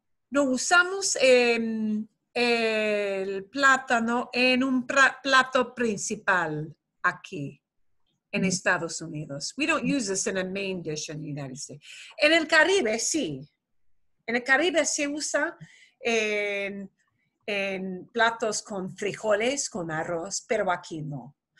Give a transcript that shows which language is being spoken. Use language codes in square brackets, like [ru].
[es] No usamos el plátano en un plato principal aquí. En Estados Unidos. [en] We don't use this in a main dish in the United States. [es] En el Caribe, sí. En el Caribe se usa en platos con frijoles, con arroz, pero aquí no.